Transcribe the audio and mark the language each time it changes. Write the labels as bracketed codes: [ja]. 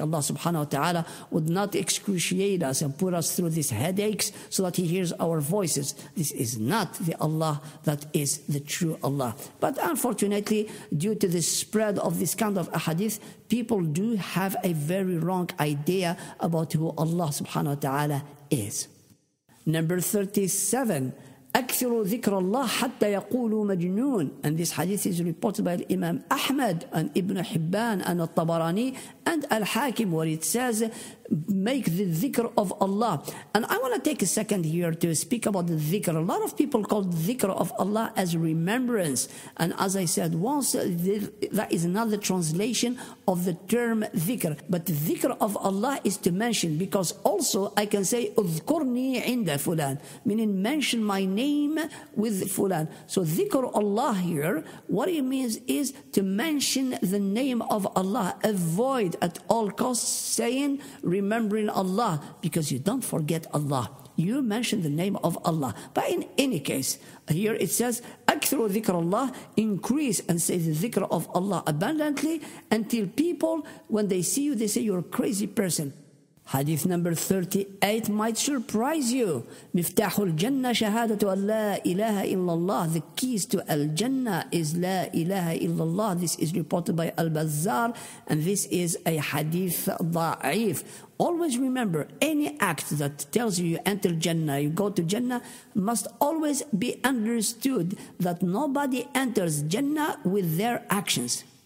[en] Allah subhanahu wa ta'ala would not excruciate us and put us through these headaches so that he hears our voices. This is not the Allah that is the true Allah. But unfortunately, due to the spread of this kind of a hadith, people do have a very wrong idea about who Allah subhanahu wa ta'ala is. Number 37, [ar] أكثر ذكر الله حتى يقول مجنون. [en] And this hadith is reported by Imam Ahmad and Ibn Hibban and Al-Tabarani and Al-Hakim, where it says, make the dhikr of Allah. And I want to take a second here to speak about the dhikr. A lot of people call the dhikr of Allah as remembrance. And as I said once, that is not the translation of the term dhikr. But the dhikr of Allah is to mention, because also I can say, [ar] اذكرني عند فلان, [en] meaning mention my name with fulan. So dhikr Allah here, what it means is to mention the name of Allah. Avoid at all costs saying, remembering Allah, because you don't forget Allah. You mention the name of Allah. But in any case, here it says, [ar] أكثر ذكر الله, [en] increase and say the ذكر of Allah abundantly, until people, when they see you, they say you're a crazy person. Hadith number 38 might surprise you. [ar] مفتاح الجنة شهادة أن لا إله إلا الله. [en] The keys to Al-Jannah is [ar] لا إله إلا الله. [en] This is reported by Al-Bazzar, and this is a hadith ضعيف. Always remember, any act that tells you you enter Jannah, you go to Jannah, must always be understood that nobody enters Jannah with their actions.